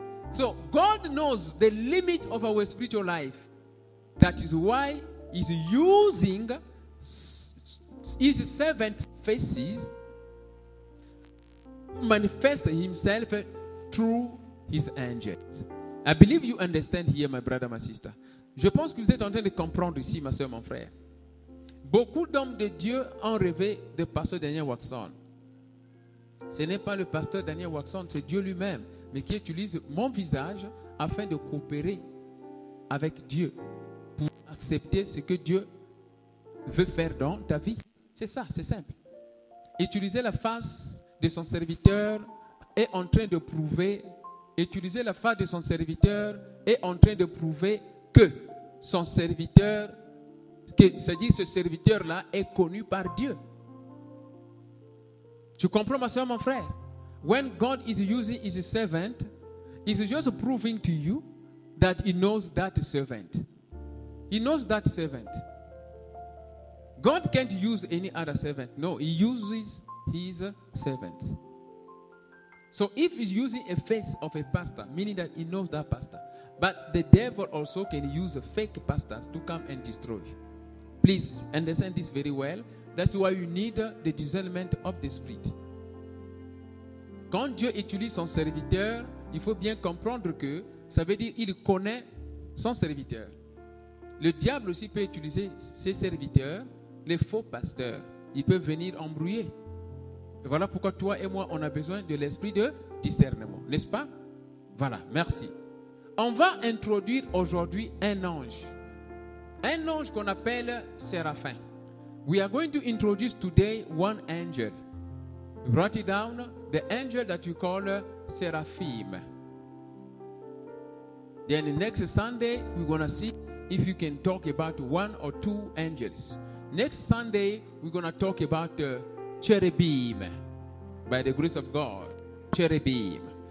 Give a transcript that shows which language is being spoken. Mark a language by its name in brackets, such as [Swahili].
[English] So God knows the limit of our spiritual life. That is why he's using his servant's faces to manifest himself through his angels. I believe you understand here, my brother, my sister. [French] Je pense que vous êtes en train de comprendre ici, ma soeur, mon frère. Beaucoup d'hommes de Dieu ont rêvé de pasteur Daniel Watson. Ce n'est pas le pasteur Daniel Watson, c'est Dieu lui-même, mais qui utilise mon visage afin de coopérer avec Dieu pour accepter ce que Dieu veut faire dans ta vie. C'est ça, c'est simple. Utiliser la face de son serviteur est en train de prouver. Utiliser la face de son serviteur est en train de prouver que son serviteur, c'est-à-dire ce serviteur-là, est connu par Dieu. Tu comprends, ma soeur, mon frère? [English] When God is using his servant, he's just proving to you that he knows that servant. He knows that servant. God can't use any other servant. No, he uses his servant. So if he's using a face of a pastor, meaning that he knows that pastor, but the devil also can use fake pastors to come and destroy. Please understand this very well. That's why you need the discernment of the spirit. [French] Quand Dieu utilise son serviteur, il faut bien comprendre que ça veut dire qu'il connaît son serviteur. Le diable aussi peut utiliser ses serviteurs, les faux pasteurs. Ils peuvent venir embrouiller. Et voilà pourquoi toi et moi, on a besoin de l'esprit de discernement. N'est-ce pas? Voilà, merci. On va introduire aujourd'hui un ange qu'on appelle Séraphin. [English] We are going to introduce today one angel. Write it down, the angel that you call Seraphim. Then next Sunday, we're going to see if you can talk about one or two angels. Next Sunday, we're going to talk about Cherubim, by the grace of God, Cherubim.